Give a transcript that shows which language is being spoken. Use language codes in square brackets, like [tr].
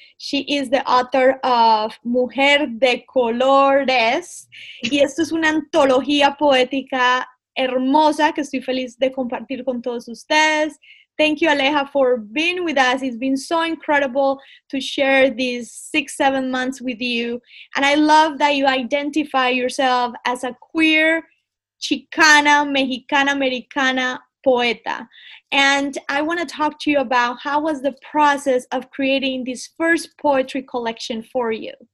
[en] She is the author of Mujer de Colores. [es] Y esto es una antología poética hermosa que estoy feliz de compartir con todos ustedes. [en] Thank you, Aleja, for being with us. It's been so incredible to share these 6-7 months with you. And I love that you identify yourself as a queer, Chicana, Mexicana, Americana, poeta. And I want to talk to you about how was the process of creating this first poetry collection for you?